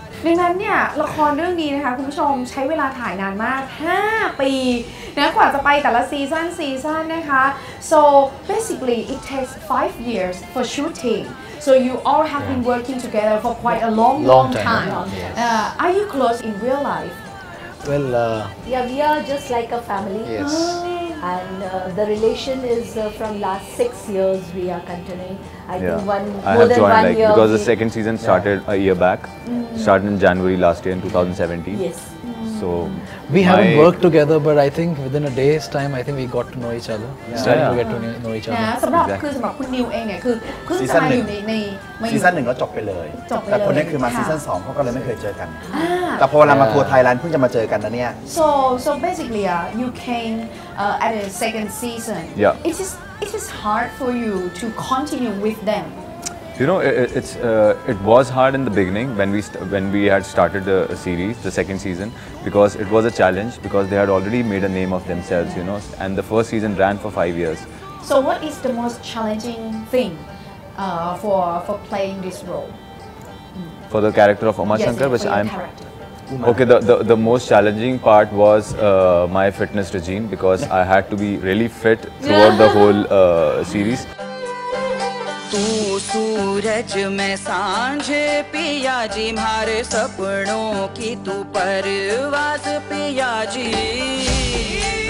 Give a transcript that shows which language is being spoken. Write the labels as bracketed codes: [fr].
[th] ดังนั้นเนี่ยละครเรื่องนี้นะคะคุณผู้ชมใช้เวลาถ่ายนานมาก5ปีนะกว่าจะไปแต่ละซีซั่นนะคะ [en] so basically it takes 5 years for shooting so you all have been working together for quite a long time are you close in real life well yeah we are just like a family yes and the relation is from last 6 years we are continuing I think more than one year because the second season started a year back started in January last year in 2017 yes so we haven't worked together but I think within a day's time I think we got to know each other to get to know each other [th] สำหรับคือสำหรับคุณนิวเองเนี่ยคือเพิ่งจะมาอยู่ใน ซีซั่น1ก็จบไปเลย แ ต่คนนี้คือมาซีซั่น2เค้าก็เลยไม่เคยเจอกันแต่พอเรามาทัวร์ไทยแลนด์เพิ่งจะมาเจอกันนะเนี่ย [en] so basically you came at the second season it is hard for you to continue with them you know it was hard in the beginning when we had started the series the second season because it was a challenge because they had already made a name of themselves you know and the first season ran for 5 years so what is the most challenging thing for playing this role for the character of Uma Shankar yes, which I'm okay the most challenging part was my fitness regime because I had to be really fit throughout the whole series [hi] सूरज में सांझे पिया जी मारे सपनों की तू परवाज पिया जी